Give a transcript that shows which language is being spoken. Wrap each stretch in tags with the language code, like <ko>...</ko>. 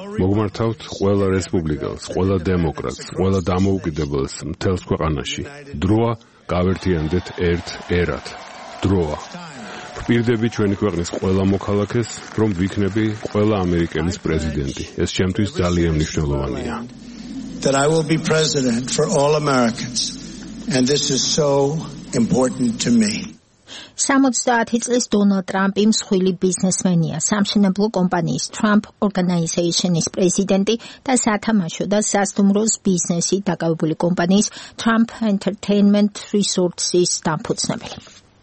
<ka>მოგმართავთ ყველა რესპუბლიკელს, ყველა დემოკრატს, ყველა დამოუკიდებელს მთელს ქვეყანაში. დროა გავერთიანდეთ ერთ ერად. დროა. ვპირდები ჩვენი ქვეყნის ყველა მოქალაქეს, რომ ვიქნები ყველა ამერიკელის პრეზიდენტი. ეს ჩემთვის ძალიან მნიშვნელოვანია.</ka> <en>That I will be president for all Americans and this is so important to me.</en> <ka>70 წლის დონალდ ტრამპი მსხვილი ბიზნესმენია, სამშენებლო კომპანიის Trump Organization-ის პრეზიდენტი და სათამაშო და სასტუმროს ბიზნესი დაკავებული კომპანიის Trump Entertainment Resources-ის დამფუძნებელი.</ka>